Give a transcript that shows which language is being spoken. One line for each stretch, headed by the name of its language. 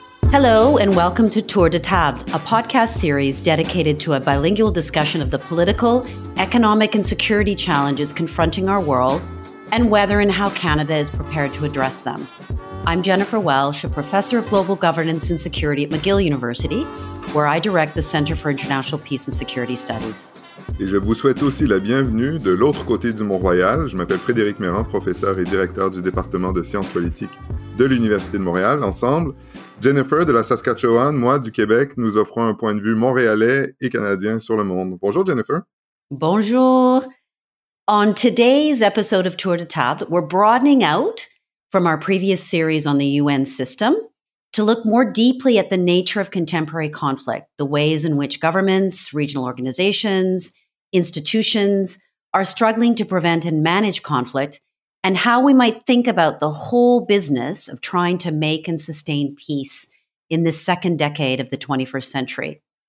English: Hello and welcome to Tour de Table, a podcast series dedicated to a bilingual discussion of the political, economic, and security challenges confronting our world and whether and how Canada is prepared to address them. I'm Jennifer Welsh, a professor of global governance and security at McGill University, where I direct the Center for International Peace and Security Studies.
French: Et je vous souhaite aussi la bienvenue de l'autre côté du Mont-Royal. Je m'appelle Frédéric Mérand, professeur et directeur du département de sciences politiques de l'Université de Montréal. Ensemble, Jennifer de la Saskatchewan, moi du Québec, nous offrons un point de vue montréalais et canadien sur le monde. Bonjour Jennifer. Bonjour.
English: On today's episode of Tour de Table, we're broadening out from our previous series on the UN system to look more deeply at the nature of contemporary conflict, the ways in which governments, regional organizations, institutions are struggling to prevent and manage conflict, and how we might think about the whole business of trying to make and sustain peace in this second decade of the 21st century.